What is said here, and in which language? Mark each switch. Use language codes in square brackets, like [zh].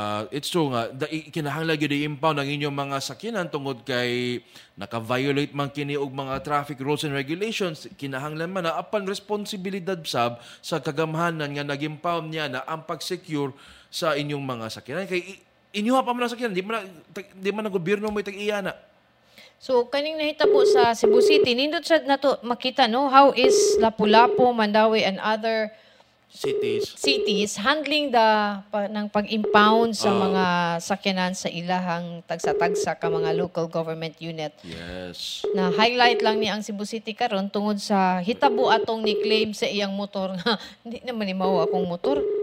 [en] It's true [ceb] nga, kinahanglan gyud i-impound ang inyong mga sakyanan tungod kay naka-violate man kini og mga [en] traffic rules and regulations, [ceb] kinahanglan man na apan responsibilidad sab sa kagamhanan nga nag-impound niya na ang pag-secure sa inyong mga sakyanan. Kay inyo pa man ang sakyanan, di man na gobyerno mo itag-iya na. So, kaning nahita po sa Cebu City, nindot sa nato makita, no? [en] How is Lapu-Lapu, Mandawi, and other cities handling the [ceb] ng pag-impound sa mga sakyanan sa ilahang tagsa-tagsa ka mga local government unit. [en] Yes. [ceb] Na highlight lang ni ang Cebu City karon tungod sa hitabo atong ni claim sa iyang motor na [tl] hindi naman [ceb] ni mao akong motor.